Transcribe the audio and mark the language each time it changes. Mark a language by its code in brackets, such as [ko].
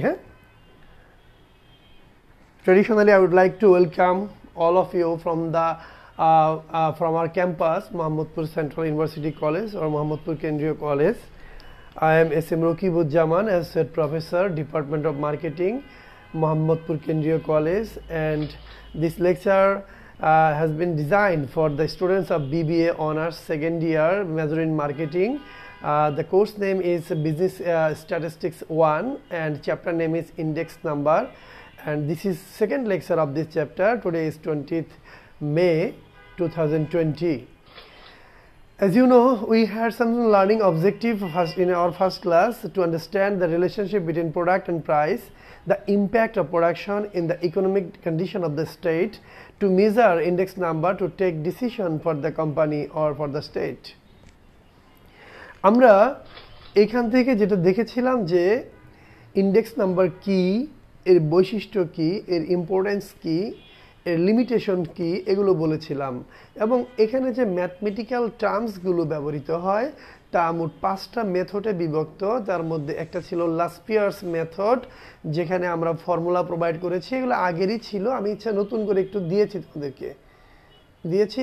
[en] হ্যাঁ, traditionally I would like to welcome all of you from the from our campus, Mohammadpur Central University College আর Mohammadpur Kendriya College. I am S M Rakibuzzaman, associate professor, department of marketing, Mohammadpur Kendriya College. And this lecture has been designed for the students of BBA honours second year, major in marketing. The course name is Business Statistics 1 and chapter name is Index Number, and this is second lecture of this chapter. Today is 20th May 2020. As you know, we had some learning objective first in our first class to understand the relationship between product and price, the impact of production in the economic condition of the state, to measure index number to take decision for the company or for the state. [bn] আমরা এখান থেকে যেটা দেখেছিলাম যে index number কি, এর বৈশিষ্ট্য কি, এর ইম্পর্টেন্স কি, এর লিমিটেশন কি, এগুলো বলেছিলাম। এবং এখানে যে ম্যাথমেটিক্যাল টার্মসগুলো ব্যবহৃত হয় তা মোট পাঁচটা মেথডে বিভক্ত, তার মধ্যে একটা ছিল লাস্পিয়ার্স মেথড, যেখানে আমরা ফর্মুলা প্রোভাইড করেছি, এগুলো আগেরই ছিল, আমি ইচ্ছা নতুন করে একটু দিয়েছি তোমাদেরকে। দিয়েছি।